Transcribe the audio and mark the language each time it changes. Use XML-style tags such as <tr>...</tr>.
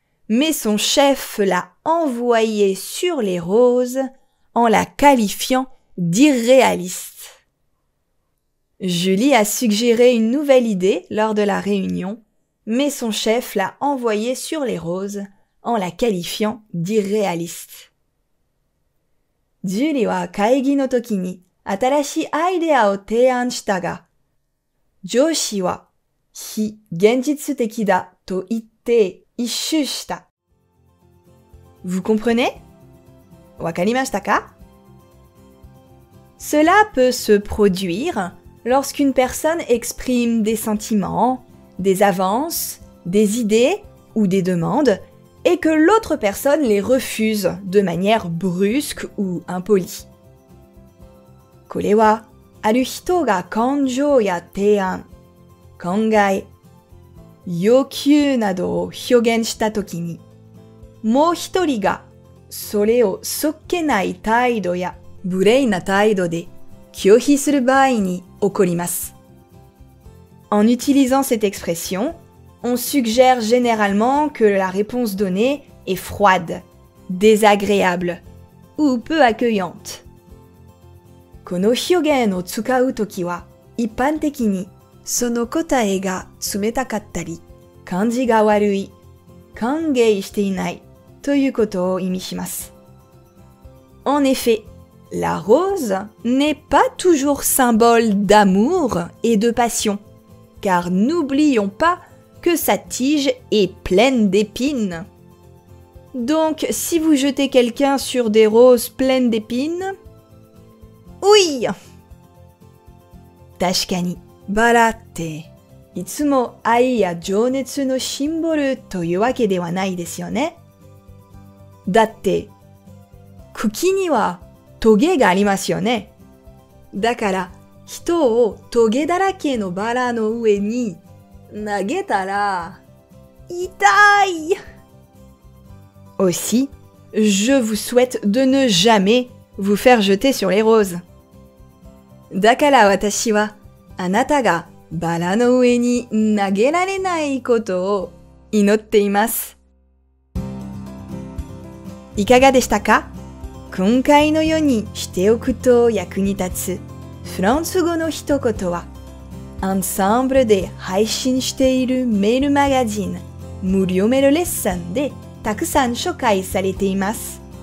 <fr>Mais son chef l'a envoyée sur les roses en la qualifiant d'irréaliste. Julie a suggéré une nouvelle idée lors de la réunion, mais son chef l'a envoyée sur les roses en la qualifiant d'irréaliste.</fr> <ja>ジュリは会議の時に新しいアイデアを提案したが、上司は非現実的だと言って一周した。</ja> <fr>Vous comprenez?</fr> <ja>わかりましたか?</ja> <fr>Cela peut se produire lorsqu'une personne exprime des sentiments, des avances, des idées ou des demandes et que l'autre personne les refuse de manière brusque ou impolie.</fr> <ja>これはある人が感情や提案、考え、要求などを表現したときに、もう一人がそれを素っ気ない態度や無礼な態度で拒否する場合に起こります。</ja> <fr>En utilisant cette expression, on suggère généralement que la réponse donnée est froide, désagréable ou peu accueillante.</fr> <ja>この表現を使うときは、一般的に、その答えが冷たかったり、感じが悪い、歓迎していない、ということを意味します。</ja> <fr>En effet, la rose n'est pas toujours symbole d'amour et de passion, car n'oublions pas que sa tige est pleine d'épines. Donc, si vous jetez quelqu'un sur des roses pleines d'épines, Oui!</fr> <ja>確かに、バラって、いつも愛や情熱のシンボルというわけではないですよね。だって、茎にはトゲがありますよね。だから、人をトゲだらけのバラの上に投げたら、痛い!</ja> <fr>Aussi, je vous souhaite de ne jamais vous faire jeter sur les roses.</fr> <ja>だから私はあなたがバラの上に投げられないことを祈っています。いかがでしたか? 今回のようにしておくと役に立つフランス語の一言は、アンサンブルで配信しているメールマガジン無料メールレッスンでたくさん紹介されています。</ja>